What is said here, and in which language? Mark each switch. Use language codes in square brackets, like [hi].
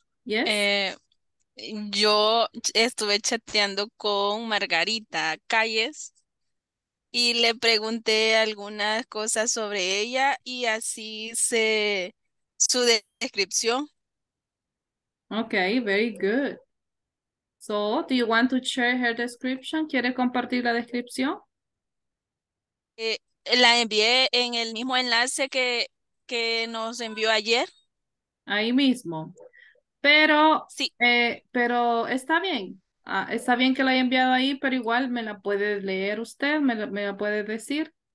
[en] yes. [es] Yo estuve chateando con Margarita Calles y le pregunté algunas cosas sobre ella y así hice su descripción. [en] Okay, very good. So, do you want to share her description? [es] ¿Quiere compartir la descripción? La envié en el mismo enlace que nos envió ayer. Ahí mismo. Pero sí. Pero está bien. Está bien que la haya enviado ahí, pero igual me la puede leer usted, me la puede decir.